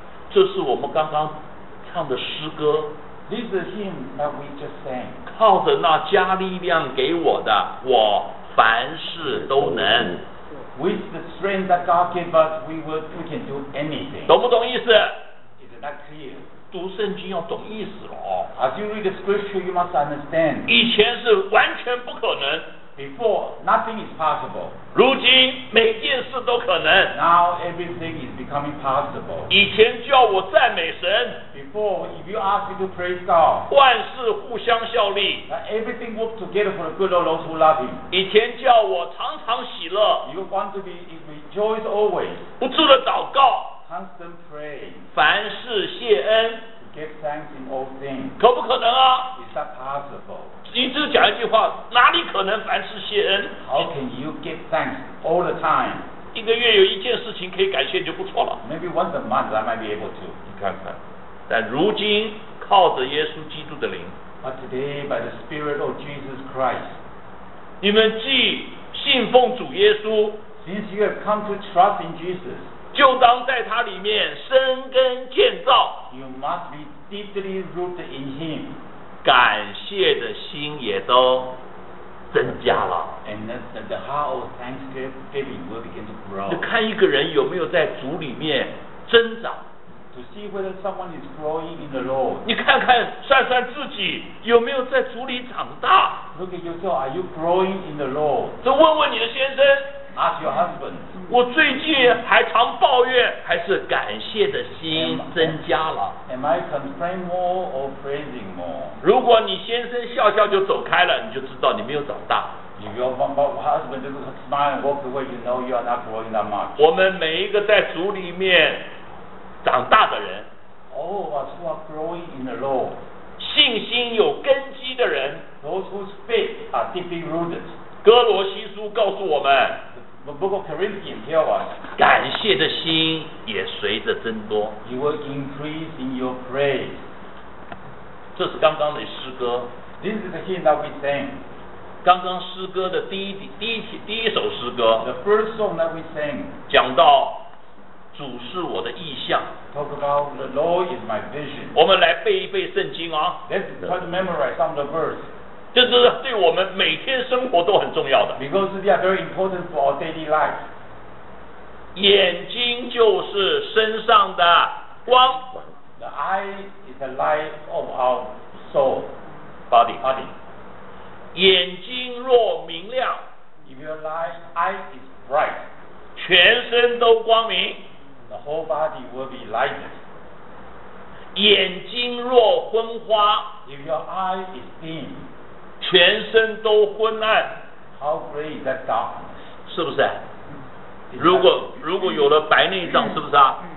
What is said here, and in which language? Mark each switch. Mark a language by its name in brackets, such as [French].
[Chinese] 这是我们刚刚唱的诗歌 [English] This is the hymn that we just sang [Chinese] 靠着那加力量给我的我凡事都能 [English] With the strength that God gave us, we can do anything. [Chinese] 懂不懂意思 [English] Is that clear? [Chinese] 读圣经要懂意思了哦。 [English] As you read the scripture, you must understand. [Chinese] 以前是完全不可能。 [English] Before, nothing is possible. [Chinese] 如今每件事都可能。 [English] Now everything is becoming possible. [Chinese] 以前叫我赞美神。 [English] Before, if you ask me to praise God. [Chinese] 万事互相效力。 [English] That everything works together for the good of those who love Him. [Chinese] 以前叫我常常喜乐。 [English] You want to be rejoice always. [Chinese] 不住的祷告。 [English] Constant pray. [Chinese] 凡事谢恩。 [English] Give thanks in all things. [Chinese] 可不可能啊 [English] ？Is that possible? [Chinese] 你只讲一句话，哪里可能凡事谢恩 [English] ？How can you give thanks all the time？ [Chinese] 一个月有一件事情可以感谢就不错了。 [English] Maybe once a month I might be able to. [Chinese] 你看看，但如今靠着耶稣基督的灵。 [English] But today by the Spirit of Jesus Christ. [Chinese] 你们既信奉主耶稣。 [English] Since you have come to trust in Jesus. [Chinese] 就当在他里面生根建造。 [English] You must be deeply rooted in Him. [Chinese] 感谢的心也都。增加了 [English] ，and the heart of thanksgiving will begin to grow。 [Chinese] 就看一个人有没有在主里面增长。 [English] To see whether someone is growing in the Lord。 [Chinese] 你看看，算算自己有没有在主里长大。 [English] Look at yourself, are you growing in the Lord？ [Chinese] 就问问你的先生。 [English] Ask your husband。 [Chinese] 我最近还常抱怨，还是感谢的心增加了。 [English] Am I complaining more or praising more？ [Chinese] 如果你先生笑笑就走开了，你就知道你没有长大。 [English] If your husband just smile and walk away, you know you are not growing that much。 [Chinese] 我们每一个在主里面长大的人 [English] ，All of us who are growing in the Lord， [Chinese] 信心有根基的人 [English] ，Those whose faith are deeply rooted。 [Chinese] 哥罗西书告诉我们。 [English] The book of Corinthians tells us, [Chinese] 感谢的心也随着增多。 [English] You will increase in your praise. [Chinese] 这是刚刚的诗歌。 [English] This is the hymn that we sang. [Chinese] 刚刚诗歌的第一首诗歌。 [English] The first song that we sang. [Chinese] 讲到主是我的意象。 [English] Talk about the Lord is my vision. [Chinese] 我们来背一背圣经啊。 [English] Let's try to memorize some of the verse. [Chinese] 这是对我们每天生活都很重要的。 [English] Because they are very important for our daily life. [Chinese] 眼睛就是身上的光。 [English] The eye is the light of our soul. Body. Body. [Chinese] 眼睛若明亮。 [English] If your eye is bright. [Chinese] 全身都光明。 [English] The whole body will be lighted. [Chinese] 眼睛若昏花。 [English] If your eye is dim. [Chinese] 全身都昏暗 [English] How great is that darkness? [Chinese] 是不是如果有了白内障是不是啊